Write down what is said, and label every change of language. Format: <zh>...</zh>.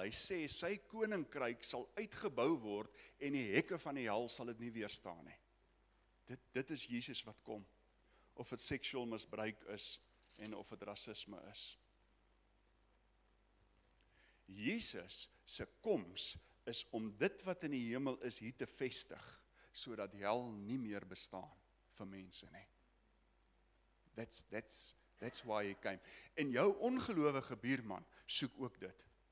<af>Hy sê sy koninkryk sal uitgebou word en die hekke van die hel sal dit nie weerstaan nie. Dit is Jesus wat kom. Of het seksueel misbruik is en of het rasisme is. Jesus se koms is om dit wat in die hemel is hier te vestig sodat die hel nie meer bestaan vir mense nie.</af> <en>That's why he came.</en> <af>En jou ongelowige buurman soek ook dit.</af>